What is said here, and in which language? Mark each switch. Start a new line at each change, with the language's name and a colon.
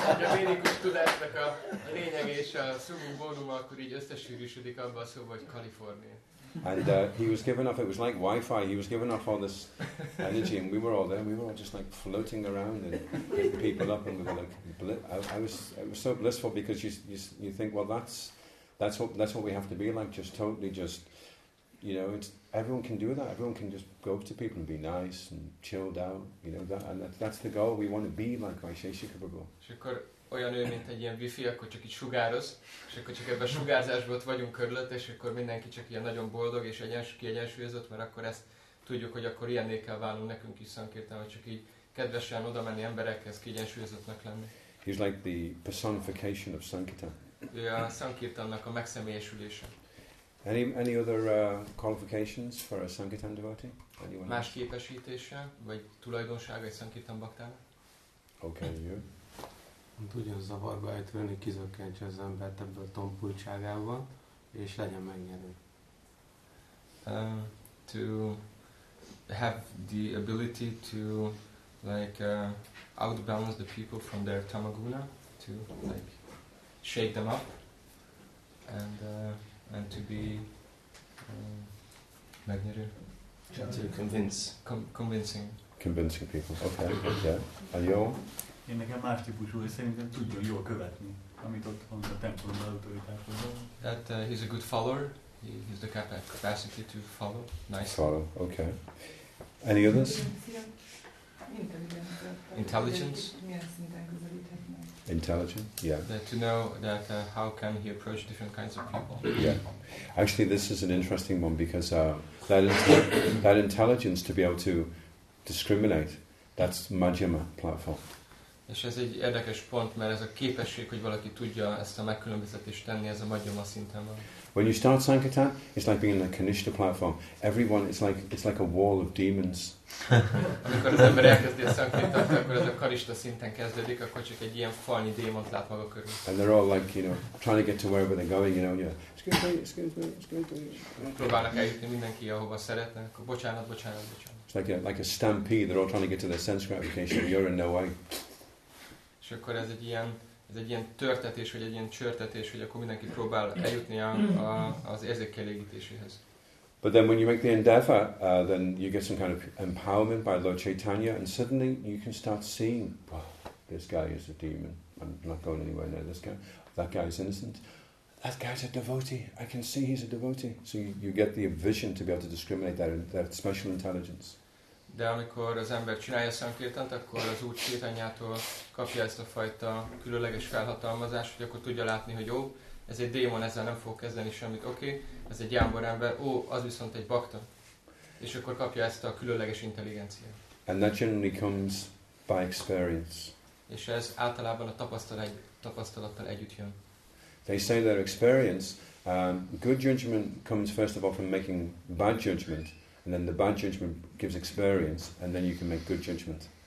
Hungarian: A védikus tudásnak a lényeg és a summum bonum akkor így összesűrűsödik abban a szóban, hogy Kalifornia.
English: And he was given off, it was like Wi-Fi, he was given off all this energy, and we were all there, we were all just like floating around and picking people up, and we were like, I was so blissful, because you think, well, that's what we have to be like, just totally just, you know, it's, everyone can do that, everyone can just go up to people and be nice and chilled out, you know, that's the goal, we want to be like Vaisheshika Prabhu.
Hungarian: Olyan ő, mint egy ilyen wifi, akkor csak így sugároz, és akkor csak ebben a sugárzásban ott vagyunk körülött, és akkor mindenki csak ilyen nagyon boldog és kiegyensúlyozott, mert akkor ezt tudjuk, hogy akkor ilyenné kell válnunk nekünk is Sankirtan, hogy csak így kedvesen oda menni emberekhez, kiegyensúlyozottnak lenni.
English: He's like the personification of Sankirtan.
Hungarian: Ő a Sankirtannak a megszemélyesülése.
English: Any other qualifications for a Sankirtan devotee? Anyone?
Hungarian: Más képesítése, vagy tulajdonsága egy Sankirtan baktának?
English: Okay, you.
Hungarian: Tudjon zavarba ejtőni, kizökkentse az embert ebből a tompultságával, és legyen megnyerő.
English: To have the ability to like outbalance the people from their tamaguna, to like shake them up, and to be
Hungarian: megnyerő.
English: To convince. Convincing. Convincing people, okay. Yeah. Are you all?
Hungarian: Én nekem más típusú, hogy szerintem tudjon jól követni, amit ott van a templomba autoritásodban.
English: That he's a good follower. He's the capacity to follow. Nice. Follow, okay. Any others? Intelligence. Intelligent, yeah. To know that how can he approach different kinds of people. Yeah. Actually, this is an interesting one, because that intelligence to be able to discriminate, that's Madhyama platform.
Hungarian: És ez egy érdekes pont, mert ez a képesség, hogy valaki tudja ezt a megkülönböztetést tenni, ez a madhyama szinten van.
English: When you start sankirtan, it's like being on a Kanishtha platform. Everyone, it's like a wall of demons.
Hungarian: Amikor az ember elkezdi a sankirtan, akkor ez a Kanishtha szinten kezdődik, akkor csak egy ilyen falnyi démont lát maga körül.
English: And they're all like, you know, trying to get to wherever they're going, you know, and you're like, excuse me.
Hungarian: Próbálnak eljutni mindenki, ahova szeretnek, akkor bocsánat.
English: It's like a stampede, they're all trying to get to their sense gratification, you're in no way.
Hungarian: És akkor ez egy ilyen törtetés, vagy egy ilyen csörtetés, hogy akkor mindenki próbál eljutni az érzékkielégítéséhez.
English: But then when you make the endeavor, then you get some kind of empowerment by Lord Chaitanya, and suddenly you can start seeing, well, this guy is a demon, I'm not going anywhere near this guy, that guy is innocent, that guy's a devotee, I can see he's a devotee. So you get the vision to be able to discriminate that special intelligence.
Hungarian: De amikor az ember csinálja a szankirtant, akkor az Úr Csaitanyától kapja ezt a fajta különleges felhatalmazást, hogy akkor tudja látni, hogy jó, ez egy démon, ezzel nem fog kezdeni semmit, oké, ez egy jámbor ember, ó, az viszont egy bakta. És akkor kapja ezt a különleges intelligenciát.
English: And that generally comes by experience.
Hungarian: És ez általában a tapasztalattal együtt jön.
English: They say that experience, good judgment comes first of all from making bad judgment. And then the bad judgment gives experience, and then you can make good judgment.